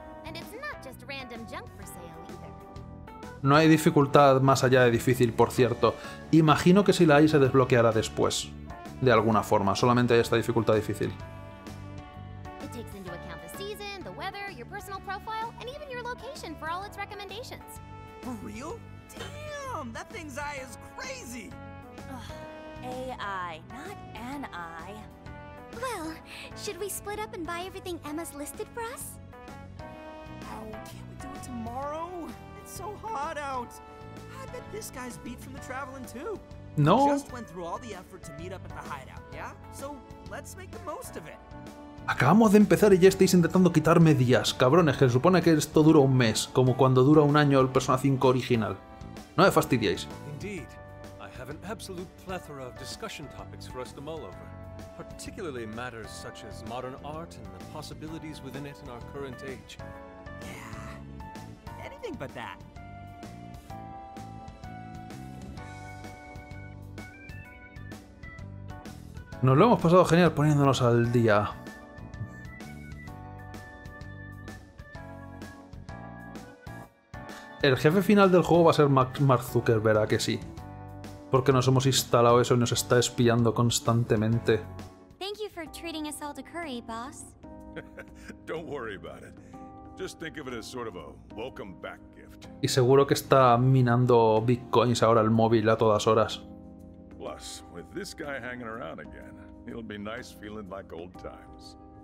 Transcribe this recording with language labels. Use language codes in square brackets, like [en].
[en] And it's not just random junk for sale either. [es] No hay dificultad más allá de difícil, por cierto. Imagino que si la hay se desbloqueará después, de alguna forma. Solamente hay esta dificultad difícil. [en] It takes into account the season, the weather, your personal profile, and even your location for all its recommendations. For real? Damn, that thing's eye is crazy. AI, not an I. Well, should we split up and buy everything Emma's listed for us? Oh, can't we do it tomorrow? It's so hot out. I bet this guy's beat from the traveling too. No. We just went through all the effort to meet up at the hideout, yeah? So let's make the most of it. [es] Acabamos de empezar y ya estáis intentando quitarme días, cabrones, que se supone que esto dura un mes, como cuando dura un año el Persona 5 original. No me fastidiéis. [en] Indeed. An absolute plethora of discussion topics for us to mull over, particularly matters such as modern art and the possibilities within it in our current age. Yeah, anything but that. [es] Nos lo hemos pasado genial poniéndonos al día. El jefe final del juego va a ser Mark Zuckerberg, ¿a que sí? Porque nos hemos instalado eso y nos está espiando constantemente. [en] Thank you for treating us all to curry, boss. Don't worry about it. Just think of it as sort of a welcome back gift. [es] Y seguro que está minando bitcoins ahora el móvil a todas horas. [en] Plus, with this guy hanging around again, it'll be nice feeling like old times.